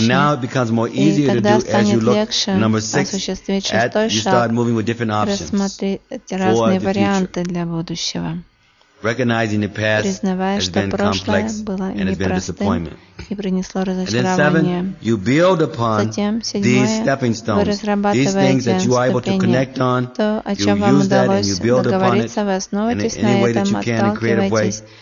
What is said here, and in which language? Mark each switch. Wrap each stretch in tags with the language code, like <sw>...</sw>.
<en>And now it becomes more easier to do as you look. Number six, you start moving with different options for the future.</en> <ru>Разные варианты для будущего.</ru> <en>Recognizing the past has been complex and has been a disappointment. And then seven, you build upon these stepping stones, these things that you are able to connect on. You use that and you build upon it in any way that you can in creative ways.</en>